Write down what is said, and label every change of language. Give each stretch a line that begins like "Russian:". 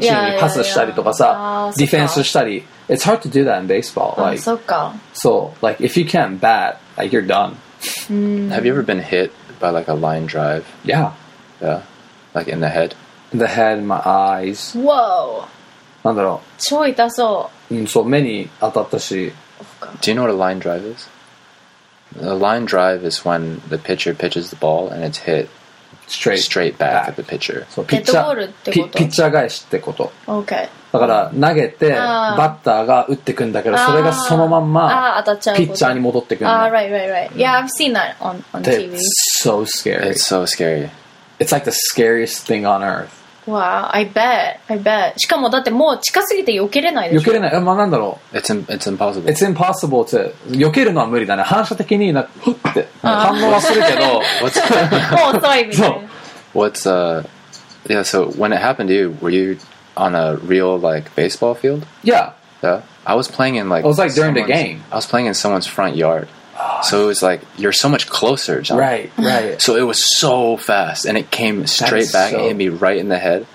Japanese: チームにパスしたりとかさ、ディフェンスしたり。
English: It's hard to do that in baseball. Like, so, like, if you can't bat, like, you're done. Have you ever been hit by, like, a line drive? Yeah. Yeah? Like, in the head? In the head, my eyes. Whoa!
Japanese: なんだろう。超痛そう。うん、そう、目に当たったし。
English: Do you know what a line drive is? A line drive is when the pitcher pitches the ball and it's hit straight back at the pitcher. So, ピッチャー
Japanese: 返しってこと。
English: Okay.
Japanese: だから投げてバッターが打ってくんだけどそれがそのまんまピッチャーに戻ってくる。
English: ああ、right, right, right. Yeah, I've seen that on TV. It's so scary. It's so scary. It's like the scariest thing on earth. Wow, I bet.
Japanese: しかもだってもう近すぎて避けれないでしょ。避けれない。まあなんだろう。
English: It's impossible. It's impossible to
Japanese: 避けるのは無理だね。反射的にな、ふって反応はするけど。もう遅いみたい
English: な。What's yeah? So when it happened to you, were you? On a real like baseball field? Yeah. Yeah. I was playing in like. It was like during the game. I was playing in someone's front yard. Oh, so it was like, you're so much closer, John. Right, right. So it was so fast and it came straight back and hit me right in the head.